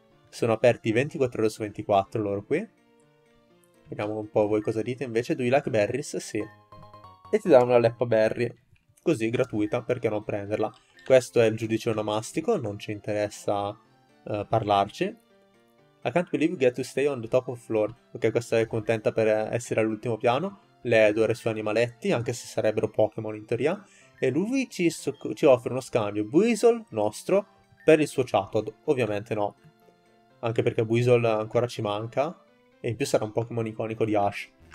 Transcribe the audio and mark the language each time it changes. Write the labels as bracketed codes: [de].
[it] Sono aperti 24 ore su 24 loro qui. Vediamo un po' voi cosa dite invece. [en] Do you like berries? [it] Sì. E ti danno una leppa berry. Così, gratuita, perché non prenderla? Questo è il giudice onomastico, non ci interessa parlarci. [en] I can't believe you get to stay on the top of floor. [it] Ok, questa è contenta per essere all'ultimo piano. Lei adora i suoi animaletti, anche se sarebbero Pokémon in teoria. E lui ci offre uno scambio. Buizel, nostro, per il suo Chatod. Ovviamente no. Anche perché Buizel ancora ci manca. E in più sarà un Pokémon iconico di Ash.